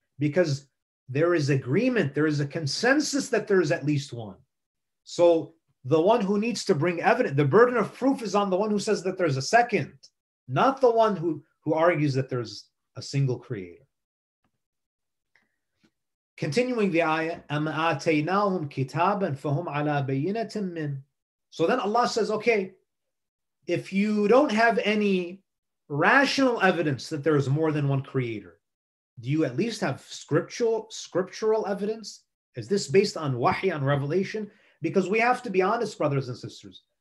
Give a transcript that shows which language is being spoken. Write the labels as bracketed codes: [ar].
[en] Because there is agreement, there is a consensus that there is at least one. So the one who needs to bring evidence, the burden of proof is on the one who says that there's a second, not the one who argues that there's a single creator. Continuing the ayah, [ar] أَمْ آتَيْنَاهُمْ كِتَابًا فَهُمْ عَلَىٰ بَيِّنَةٍ مِّنْ. [en] So then Allah says, okay, if you don't have any rational evidence that there is more than one creator, do you at least have scriptural evidence? Is this based on wahi, on revelation? Because we have to be honest, brothers and sisters.